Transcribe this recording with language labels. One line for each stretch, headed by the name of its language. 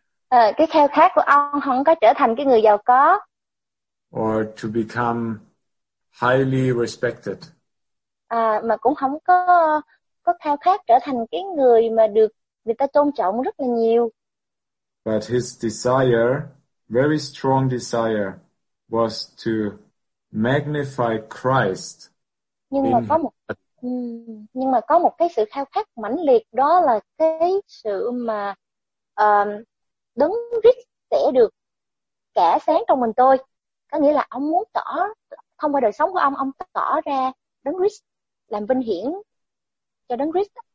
Vietnamese: Cái khao khát của ông không có trở thành cái người giàu có.
English: Or to become highly respected.
Vietnamese: Mà cũng không có khao khát trở thành cái người mà được người ta tôn trọng rất là nhiều.
English: But his desire, very strong desire, was to magnify Christ.
Vietnamese: Nhưng mà có một cái sự khao khát mãnh liệt, đó là cái sự mà Đấng Christ sẽ được cả sáng trong mình tôi. Có nghĩa là ông muốn tỏ, thông qua đời sống của ông tỏ ra Đấng Christ, làm vinh hiển cho Đấng Christ.